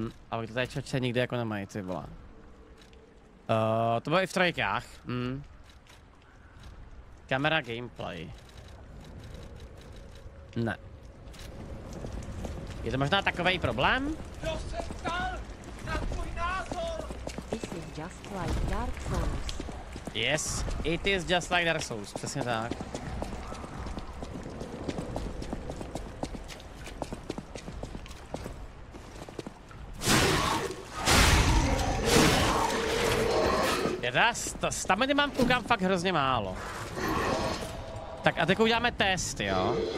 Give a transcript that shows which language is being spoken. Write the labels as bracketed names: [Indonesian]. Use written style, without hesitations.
[Czech] Ale to tady člověče nikdy jako nemají, ty vole. To bylo i v trojkách. Kamera gameplay. Ne. Je to možná takový problém? Kdo se ptal na tvůj názor? [English] This is just like Dark Souls. Yes, it is just like Dark Souls, [Czech] přesně tak. Stamina mám, koukám fakt hrozně málo. Tak a teď uděláme test, jo.